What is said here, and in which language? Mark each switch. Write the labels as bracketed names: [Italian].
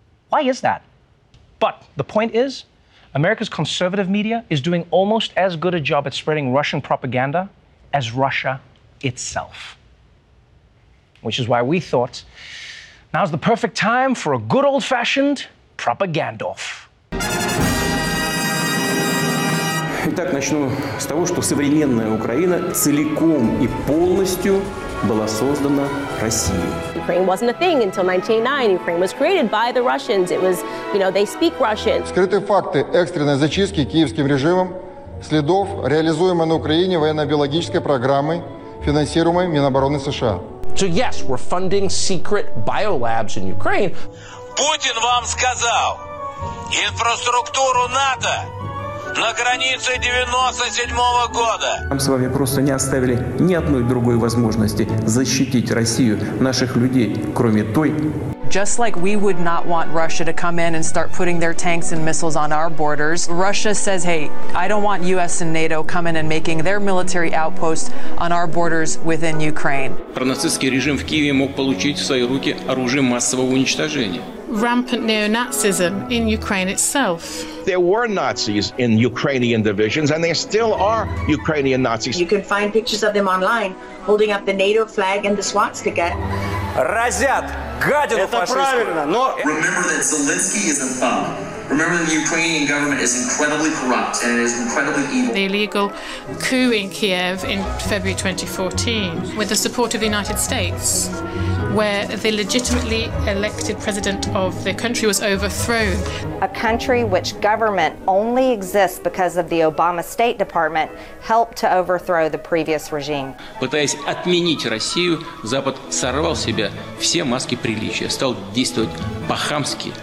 [English] Why is that? But the point is, America's conservative media is doing almost as good a job at spreading Russian propaganda as Russia itself. Which is why we thought, now's the perfect time for a good old-fashioned propaganda off. [Russian] Итак, начну с того, что современная Украина целиком и полностью была создана Россией. [English] Ukraine wasn't a thing until 1999. Ukraine was created by the Russians. It was, you know, they speak Russian. [Russian] Скрытые факты экстренной зачистки киевским режимом следов реализуемой на Украине военно-биологической программы, финансируемой Минобороны США. [English] So yes, we're funding secret biolabs in Ukraine. [Russian] Путин вам сказал инфраструктуру НАТО на границе 97-го года. Нам с вами просто не оставили ни одной другой возможности защитить Россию, наших людей, кроме той. [English] Just like we would not want Russia to come in and start putting their tanks and missiles on our borders, Russia says, hey, I don't want US and NATO coming and making their military outposts on our borders within Ukraine. [Russian] Пронацистский режим в Киеве мог получить в свои руки оружие массового уничтожения. [English] Rampant neo-Nazism in Ukraine itself. There were Nazis in Ukrainian divisions, and there still are Ukrainian Nazis. You can find pictures of them online, holding up the NATO flag and the swastika. [Russian] Разят, гадину фашистскую. [English] Remember that Zelensky is a thug. Remember that the Ukrainian government is incredibly corrupt and it is incredibly evil. The illegal coup in Kiev in February 2014, with the support of the United States, where the legitimately elected president of the country was overthrown. A country which government only exists because of the Obama State Department helped to overthrow the previous regime. [Russian] Пытаясь отменить Россию, Запад сорвал с себя все маски приличия, стал действовать по-хамски.